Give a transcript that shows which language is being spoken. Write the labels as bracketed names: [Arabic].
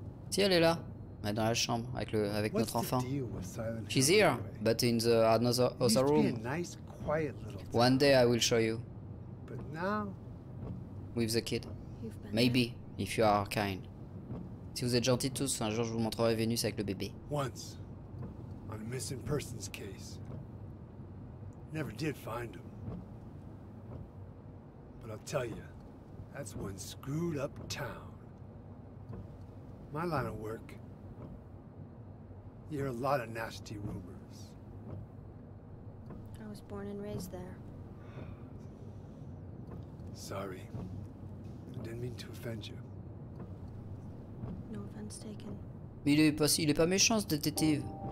[French] Si, elle est là. Elle est dans la chambre avec le, avec notre enfant. [English] She's here, but in the other room. One day I will show you. But now, with the kid. Maybe, if you are kind. [French] Si vous êtes gentils tous, un jour je vous montrerai Vénus avec le bébé. [English] Once, on a missing persons case. Never did find him. But I'll tell you, that's one screwed up town. My line of work. You hear a lot of nasty rumors. I was born and raised there. Sorry. I didn't mean to offend you. No offense taken. [French] Mais il est pas méchant, ce détective.